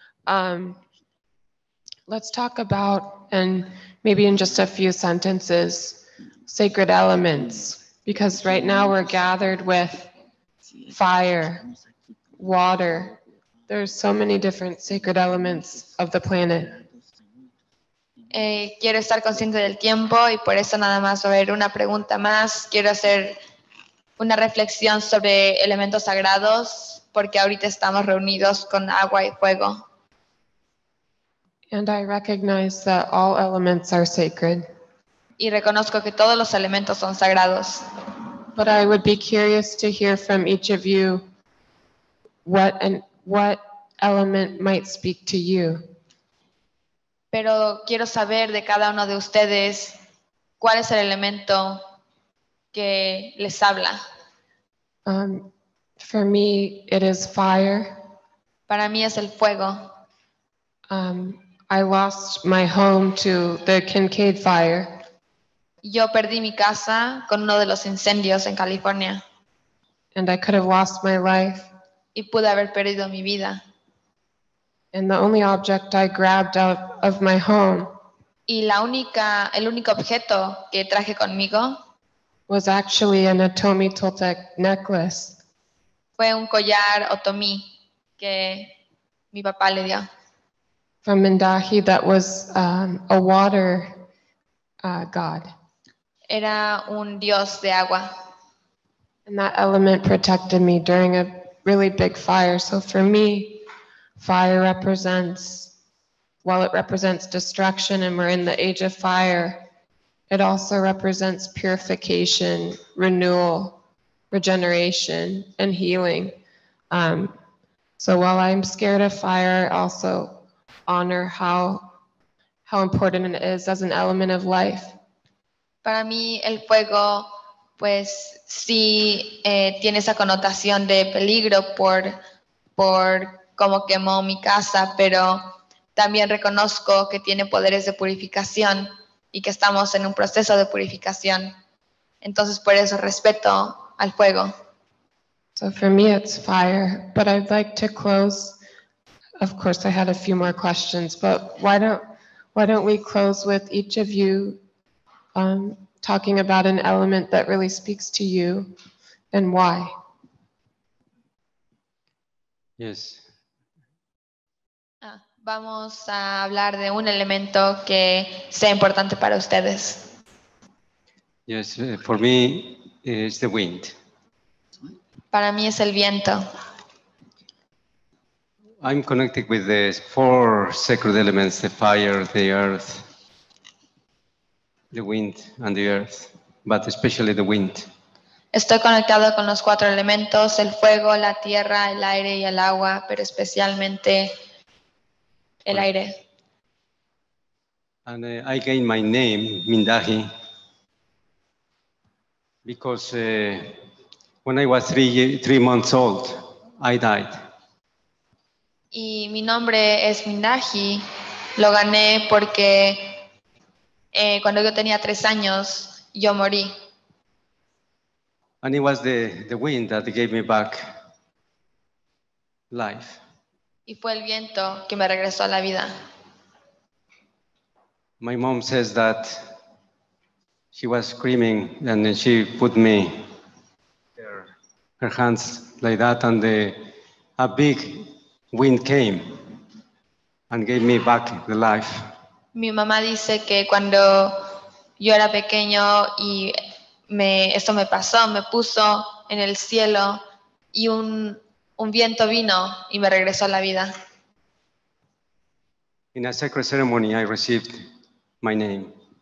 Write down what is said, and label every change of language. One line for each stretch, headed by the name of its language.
English: Let's talk about, and maybe in just a few sentences, sacred elements. Because right now we're gathered with fire. Water. There's so many different sacred elements of the planet.
Spanish: Quiero estar consciente del tiempo y por eso nada más va a haber una pregunta más. Quiero hacer una reflexión sobre elementos sagrados, porque ahorita estamos reunidos con agua y fuego.
English: And I recognize that all elements are sacred.
Spanish: Y reconozco que todos los elementos son sagrados.
English: But I would be curious to hear from each of you what element might speak to you.
Spanish: Pero quiero saber de cada uno de ustedes cuál es el elemento que les habla.
English: For me, it is fire.
Spanish: Para mí es el fuego.
English: I lost my home to the Kincaid fire.
Spanish: Yo perdí mi casa con uno de los incendios en California.
English: And I could have lost my life.
Spanish: Y pude haber perdido mi vida.
English: And the only object I grabbed out of my home.
Spanish: Y la única, el único objeto que traje conmigo.
English: Was actually an Otomi Toltec necklace.
Spanish: Fue un collar Otomi que mi papá le dio.
English: From Mindahi, that was a water god.
Spanish: Era un dios de agua.
English: And that element protected me during a really big fire. So for me, fire represents, while it represents destruction and we're in the age of fire, it also represents purification, renewal, regeneration, and healing. So while I'm scared of fire, I also honor how important it is as an element of life.
Spanish: Para mí el fuego, pues sí tiene esa connotación de peligro por cómo quemó mi casa, pero también reconozco que tiene poderes de purificación y que estamos en un proceso de purificación. Entonces por eso respeto al fuego.
English: So for me it's fire, but I'd like to close. Of course I had a few more questions, but why don't we close with each of you talking about an element that really speaks to you and why? Yes.
Spanish: Vamos a hablar de un elemento que sea importante para ustedes.
English: Yes, for me it's the wind.
Spanish: Para mí es el viento.
English: I'm connected with the four sacred elements, the fire, the earth, the wind and the earth, but especially the wind.
Spanish: Estoy conectado con los cuatro elementos, el fuego, la tierra, el aire y el agua, pero especialmente el aire.
English: And I gained my name, Mindahi, because when I was three months old, I died.
Spanish: Y mi nombre es Mindahi, lo gané porque cuando yo tenía 3 años, yo morí.
English: And it was the wind that gave me back life.
Spanish: Y fue el viento que me regresó a la vida.
English: My mom says that she was screaming and then she put me her hands like that and a big wind came and gave me back the life.
Spanish: Mi mamá dice que cuando yo era pequeño y esto me pasó, me puso en el cielo y un viento vino y me regresó a la vida.
English: In a sacred ceremony, I received my name.